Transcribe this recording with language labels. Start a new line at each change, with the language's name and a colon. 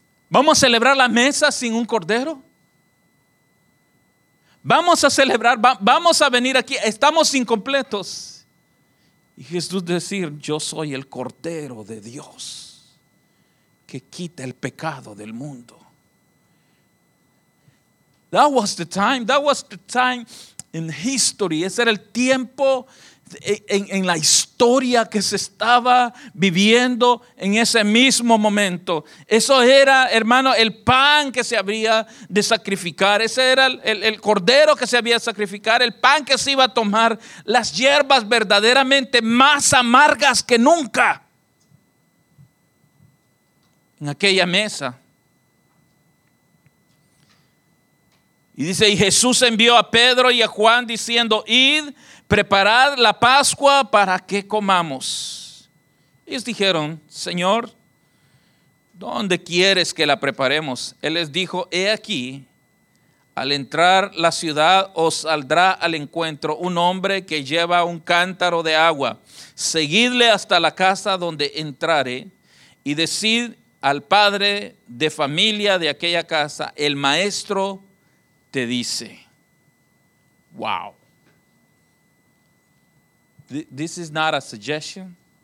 Spanish: ¿Vamos a celebrar la mesa sin un cordero? Vamos a celebrar, vamos a venir aquí, estamos incompletos. Y Jesús decir, yo soy el Cordero de Dios que quita el pecado del mundo.
English: That was the time in history.
Spanish: Ese era el tiempo en la historia que se estaba viviendo en ese mismo momento. Eso era, hermano, el pan que se había de sacrificar. Ese era el cordero que se había de sacrificar, el pan que se iba a tomar, las hierbas verdaderamente más amargas que nunca en aquella mesa. Y dice, y Jesús envió a Pedro y a Juan diciendo, id, preparad la Pascua para que comamos. Ellos dijeron, Señor, ¿dónde quieres que la preparemos? Él les dijo, he aquí, al entrar la ciudad os saldrá al encuentro un hombre que lleva un cántaro de agua. Seguidle hasta la casa donde entrare y decid al padre de familia de aquella casa, el maestro te dice.
English: Wow. This is not a suggestion.